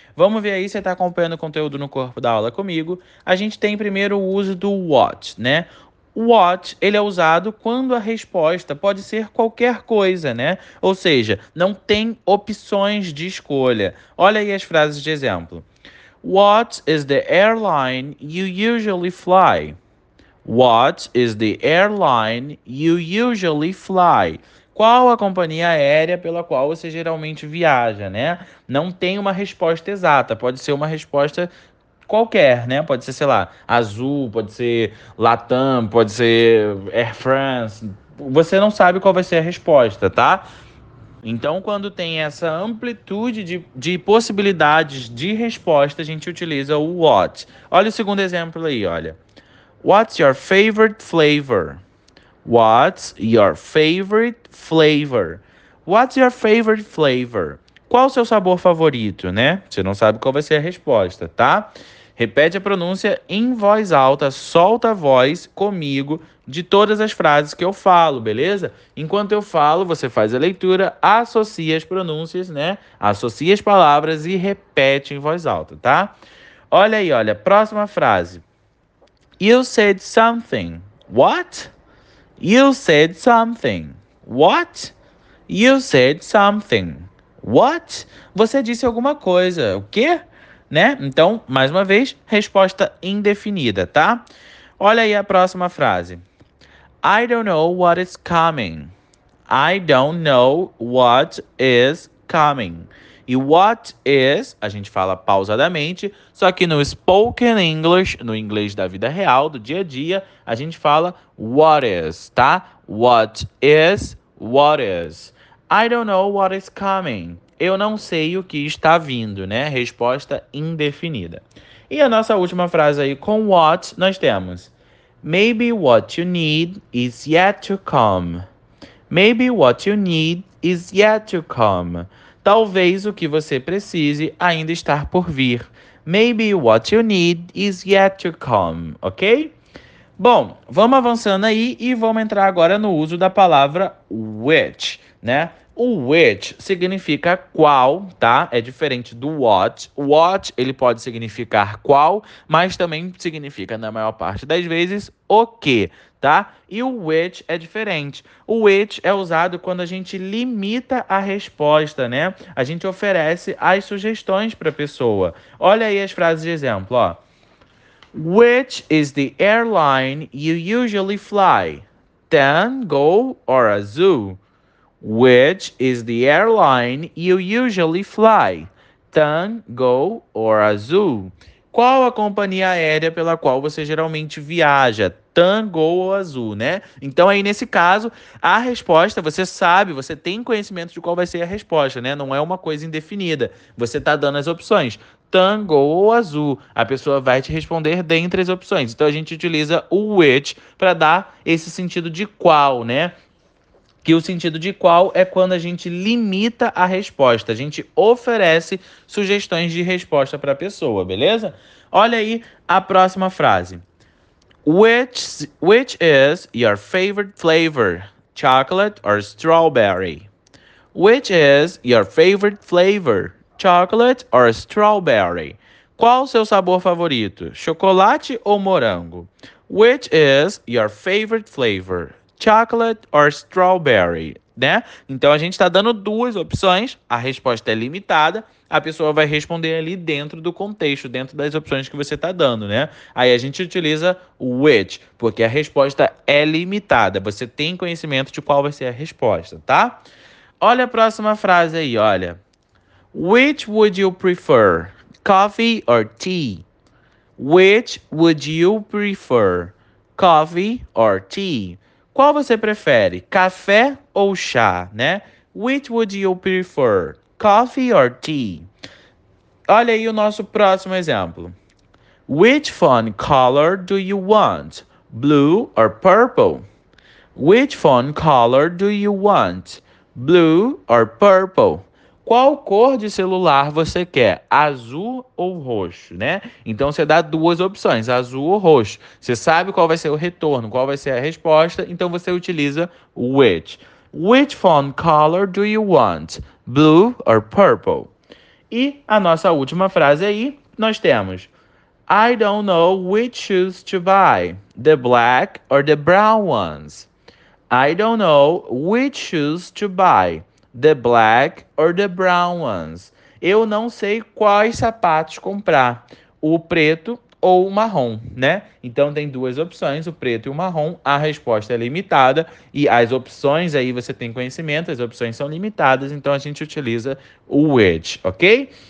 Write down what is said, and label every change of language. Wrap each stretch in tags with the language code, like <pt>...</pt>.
<pt>Vamos ver aí se você está acompanhando o conteúdo no corpo da aula comigo. A gente tem primeiro o uso do what, né? What, ele é usado quando a resposta pode ser qualquer coisa, né? Ou seja, não tem opções de escolha. Olha aí as frases de exemplo.</pt> <en>What is the airline you usually fly? What is the airline you usually fly?</en> <pt>Qual a companhia aérea pela qual você geralmente viaja, né? Não tem uma resposta exata, pode ser uma resposta qualquer, né? Pode ser, sei lá, Azul, pode ser Latam, pode ser Air France. Você não sabe qual vai ser a resposta, tá? Então, quando tem essa amplitude de possibilidades de resposta, a gente utiliza o what. Olha o segundo exemplo aí, olha.</pt> <en>What's your favorite flavor? What's your favorite flavor? What's your favorite flavor?</en> <pt>Qual o seu sabor favorito, né? Você não sabe qual vai ser a resposta, tá? Repete a pronúncia em voz alta, solta a voz comigo de todas as frases que eu falo, beleza? Enquanto eu falo, você faz a leitura, associa as pronúncias, né? Associa as palavras e repete em voz alta, tá? Olha aí, olha, próxima frase.</pt> <en>You said something. What? You said something. What? You said something. What?</en> <pt>Você disse alguma coisa. O quê? Né? Então, mais uma vez, resposta indefinida, tá? Olha aí a próxima frase.</pt> <en>I don't know what is coming. I don't know what is coming.</en> <pt>E what is, a gente fala pausadamente, só que no spoken English, no inglês da vida real, do dia a dia, a gente fala what is, tá?</pt> <en>What is, what is. I don't know what is coming.</en> <pt>Eu não sei o que está vindo, né? Resposta indefinida. E a nossa última frase aí com what nós temos.</pt> <en>Maybe what you need is yet to come. Maybe what you need is yet to come.</en> <pt>Talvez o que você precise ainda estar por vir.</pt> <en>Maybe what you need is yet to come, ok?</en> <pt>Bom, vamos avançando aí e vamos entrar agora no uso da palavra which, né? O which significa qual, tá? É diferente do what. O what, ele pode significar qual, mas também significa, na maior parte das vezes, o quê, tá? E o which é diferente. O which é usado quando a gente limita a resposta, né? A gente oferece as sugestões para a pessoa. Olha aí as frases de exemplo, ó.</pt> <en>Which is the airline you usually fly? TAM, Gol or Azul? Which is the airline you usually fly? TAM, Gol or Azul?</en> <pt>Qual a companhia aérea pela qual você geralmente viaja? TAM, Gol ou Azul, né? Então, aí, nesse caso, a resposta, você sabe, você tem conhecimento de qual vai ser a resposta, né? Não é uma coisa indefinida. Você está dando as opções. TAM, Gol ou Azul? A pessoa vai te responder dentre as opções. Então, a gente utiliza o which para dar esse sentido de qual, né? Que o sentido de qual é quando a gente limita a resposta, a gente oferece sugestões de resposta para a pessoa, beleza? Olha aí a próxima frase.</pt> <en>Which is your favorite flavor? Chocolate or strawberry? Which is your favorite flavor? Chocolate or strawberry?</en> <pt>Qual o seu sabor favorito? Chocolate ou morango?</pt> <en>Which is your favorite flavor? Chocolate or strawberry, né?</en> <pt>Então a gente está dando duas opções, a resposta é limitada, a pessoa vai responder ali dentro do contexto, dentro das opções que você está dando, né? Aí a gente utiliza o which, porque a resposta é limitada, você tem conhecimento de qual vai ser a resposta, tá? Olha a próxima frase aí, olha.</pt> <en>Which would you prefer, coffee or tea? Which would you prefer, coffee or tea?</en> <pt>Qual você prefere, café ou chá, né?</pt> <en>Which would you prefer, coffee or tea?</en> <pt>Olha aí o nosso próximo exemplo.</pt> <en>Which phone color do you want? blue or purple? Which phone color do you want? Blue or purple?</en> <pt>Qual cor de celular você quer? Azul ou roxo, né? Então você dá duas opções, azul ou roxo. Você sabe qual vai ser o retorno, qual vai ser a resposta, então você utiliza which.</pt> <en>Which phone color do you want? Blue or purple?</en> <pt>E a nossa última frase aí, nós temos:</pt> <en>I don't know which shoes to buy, the black or the brown ones. I don't know which shoes to buy, the black or the brown ones.</en> <pt>Eu não sei quais sapatos comprar, o preto ou o marrom, né? Então tem duas opções, o preto e o marrom. A resposta é limitada e as opções aí você tem conhecimento, as opções são limitadas, então a gente utiliza o which, ok?</pt>